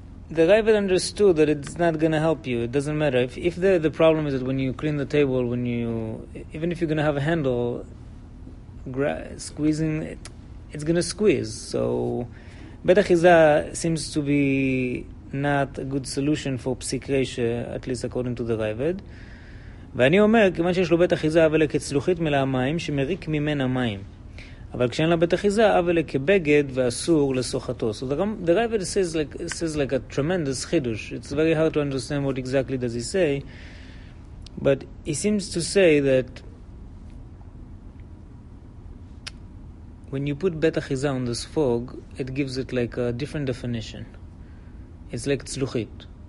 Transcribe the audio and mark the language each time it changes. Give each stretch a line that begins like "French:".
English: The Ravid understood that it's not going to help you. It doesn't matter. If the problem is that when you clean the table, when you, even if you're going to have a handle, squeezing, it's going to squeeze. So Bet Achiza seems to be not a good solution for Psik Reish, at least according to the Ravid.
Hebrew: ואני אומר, כיוון שיש לו בית אחיזה, אבל כצלוחית מלא המים, שמריק ממנה המים. אבל כשאין לה בית אחיזה, אבל כבגד ואסור לסוחתו.
English: So the Ravid says like a tremendous chidush. It's very hard to understand what exactly does he say. But he seems to say that when you put בית אחיזה on the sfog, it gives it like a different definition. It's like tzluchit.